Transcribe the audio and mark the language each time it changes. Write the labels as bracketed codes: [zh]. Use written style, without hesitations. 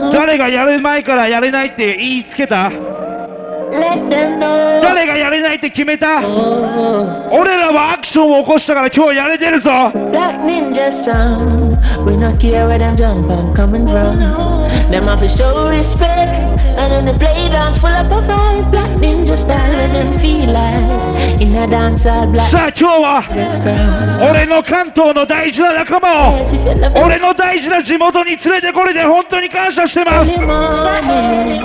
[ja] 誰がやる前からやれないって言いつけた？ [en] Let them know. [ja] 誰がやれないって決めた？Oh. 俺らはアクションを起こしたから今日やれてるぞ。 [en] Black Ninja Sound. We not care where them jump and coming from. Them have to show respect. And then they play dance full up of vibe. Black Ninja style. Let them feel like in a dance all black. [ja] さあ今日は俺の関東の大事な仲間を俺の大事な地元に連れてこれて本当に感謝してます。